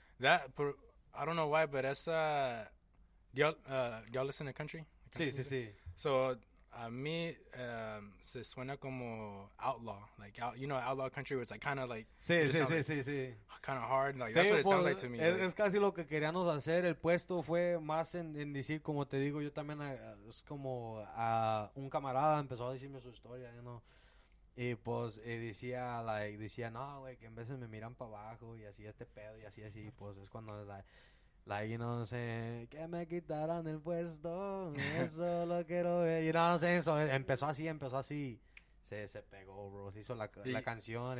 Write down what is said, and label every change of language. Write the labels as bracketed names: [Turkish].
[English] I don't know why, but that's y'all listen to country? [Spanish] Sí. So, a mí se suena como outlaw. [English] Like, you know, outlaw country was like kind of like. [Spanish] Sí. [English] Kind of hard. Like, that's what it sounds like to me. [Spanish] Es casi lo que queríamos hacer. El Puesto fue más en decir, como te digo, yo también es como un camarada empezó a decirme su historia, [English] you know. [Spanish] Y pues decía, no, güey, que en veces me miran para abajo y así este pedo y así, pues es cuando [English] like, you know, [Spanish] sé, que me quitaran el puesto, eso lo quiero ver. Y [English] you know, [Spanish] no sé, eso empezó así, se pegó, bro, se hizo la canción.